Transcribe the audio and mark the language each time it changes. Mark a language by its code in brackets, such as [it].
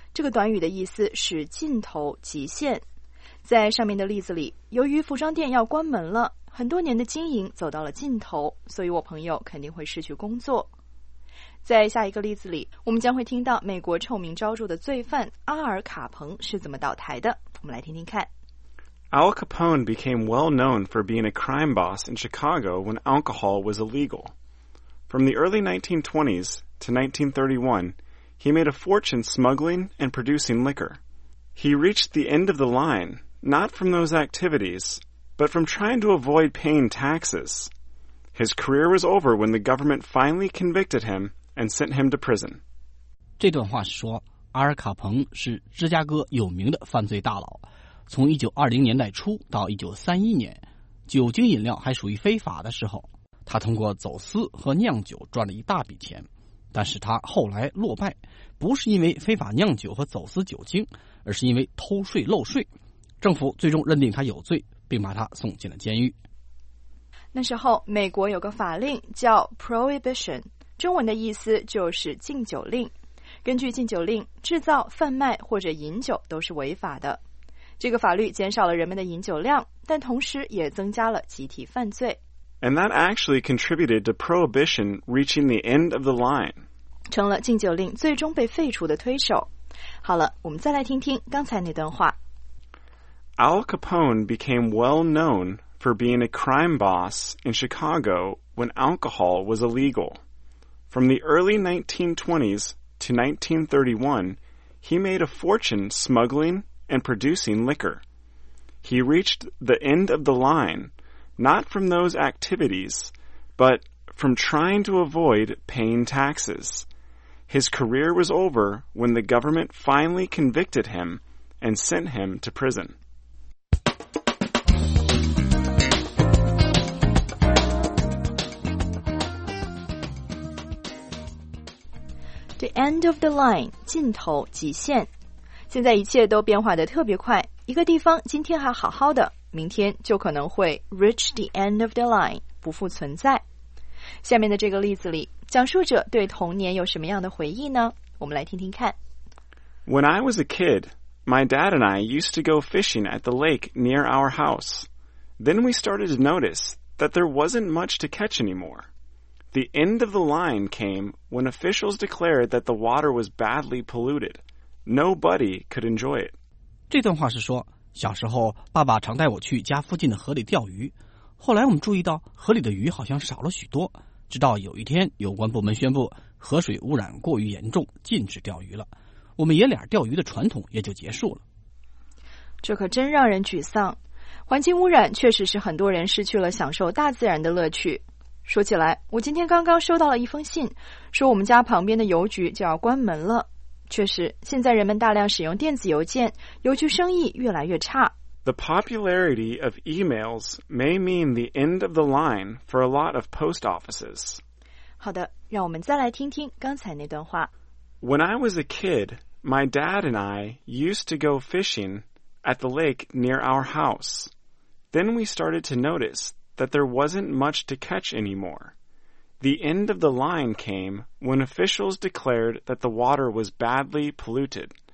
[zh] 这个短语的意思是尽头、极限。在上面的例子里，由于服装店要关门了，很多年的经营走到了尽头，所以我朋友肯定会失去工作。在下一个例子里，我们将会听到美国臭名昭著的罪犯阿尔卡彭是怎么倒台的。我们来听听看。 [en] Al Capone became well known for being a crime boss in Chicago when alcohol was illegal. From the early 1920s to 1931, he made a fortune smuggling and producing liquor. He reached the end of the line, not from those activities, but from trying to avoid paying taxes. His career was over when the government finally convicted him. And sent him to prison. [zh] 这段话是说，阿尔卡彭是芝加哥有名的犯罪大佬。从1920年代初到1931年，酒精饮料还属于非法的时候，他通过走私和酿酒赚了一大笔钱。但是他后来落败，不是因为非法酿酒和走私酒精，而是因为偷税漏税。政府最终认定他有罪，并把他送进了监狱。那时候，美国有个法令叫 Prohibition。中文的意思就是禁酒令。根据禁酒令，制造、贩卖或者饮酒都是违法的。这个法律减少了人们的饮酒量，但同时也增加了集体犯罪。 [en] And that actually contributed to prohibition reaching the end of the line. [zh] 成了禁酒令最终被废除的推手。好了，我们再来听听刚才那段话。 [en] Al Capone became well known for being a crime boss in Chicago when alcohol was illegal. From the early 1920s to 1931, he made a fortune smuggling and producing liquor. He reached the end of the line, not from those activities, but from trying to avoid paying taxes. His career was over when the government finally convicted him and sent him to prison. The end of the line, [zh] 尽头极限。现在一切都变化得特别快，一个地方今天还好好的，明天就可能会 [en] reach the end of the line, [zh] 不复存在。下面的这个例子里，讲述者对童年有什么样的回忆呢？我们来听听看。 [en] When I was a kid, my dad and I used to go fishing at the lake near our house. Then we started to notice that there wasn't much to catch anymore. The end of the line came when officials declared that the water was badly polluted. Nobody could enjoy it. [zh] 这段话是说，小时候爸爸常带我去家附近的河里钓鱼，后来我们注意到河里的鱼好像少了许多，直到有一天有关部门宣布河水污染过于严重，禁止钓鱼了，我们爷俩钓鱼的传统也就结束了。这可真让人沮丧，环境污染确实是很多人失去了享受大自然的乐趣。说起来，我今天刚刚收到了一封信，说我们家旁边的邮局就要关门了。确实，现在人们大量使用电子邮件，邮局生意越来越差。 [en] The popularity of emails may mean the end of the line for a lot of post offices. [zh] 好的，让我们再来听听刚才那段话。 [en] When I was a kid, my dad and I used to go fishing at the lake near our house. Then we started to notice. That there wasn't much to catch anymore. The end of the line came when officials declared that the water was badly polluted.